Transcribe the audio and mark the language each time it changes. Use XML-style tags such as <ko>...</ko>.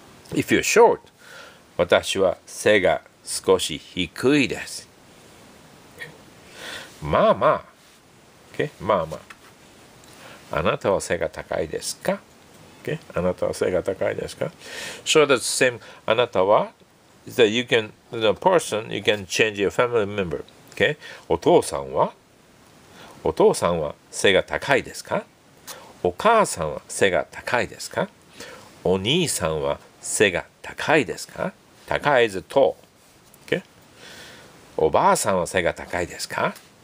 <en>If you're short,</en> <ja>私は背が少し低いです。まあまあ。Okay. まあまあ。あなたは背が高いですか？</ja> <en>Okay.</en> <ja>あなたは背が高いですか？</ja> <en>So that's the same. あなたは is that you can, the person, you can change your family member.</en> <ja>Okay. お父さんは？お父さんは背が高いですか？お母さんは背が高いですか？お兄さんは背が高いですか？高いずと、okay? おばあさんは背が高いですか？</ja>